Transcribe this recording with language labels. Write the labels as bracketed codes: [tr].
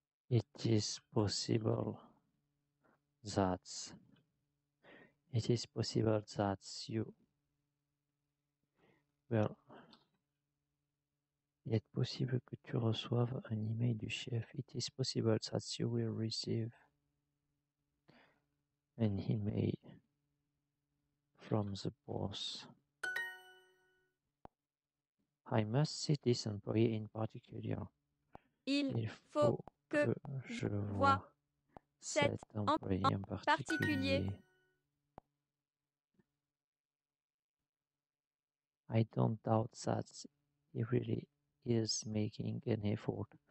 [en] It is possible that you will [fr] Il est possible que tu reçoives un email du chef. [en] It is possible that you will receive an email from the boss. I must see this employee in particular. [fr] Il faut que je voie cet employé en particulier. [en] I don't doubt that he really is making an effort.